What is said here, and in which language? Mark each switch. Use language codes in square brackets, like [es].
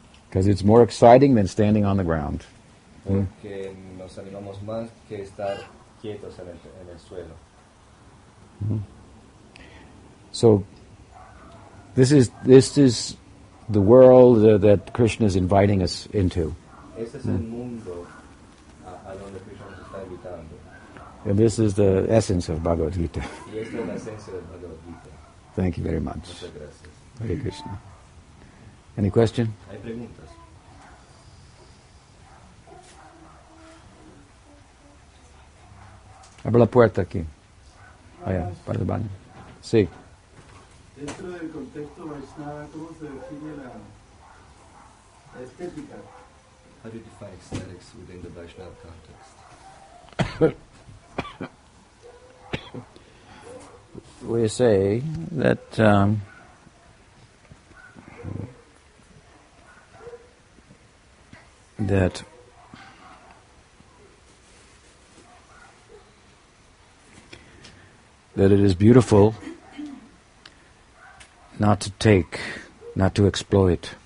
[en] Because it's more exciting than standing on the ground. [es] Porque nos animamos más que estar quietos en el suelo. [en] So, this is the world that Krishna is inviting us into. [es] Este es el mundo a donde Krishna nos está invitando. [en] And this is the essence of Bhagavad Gita. [es] Y esta es la esencia de Bhagavad Gita. [en] Thank you very much. [es] Muchas gracias. [en] Hare Krishna. Any question? [es] Hay preguntas. Abre la puerta aquí. Allá, para el baño. Sí. Dentro del contexto Vaishnava, ¿cómo se define la estética? [en] How do you define aesthetics within the Vaishnava context? We say that that that it is beautiful not to take, not to exploit.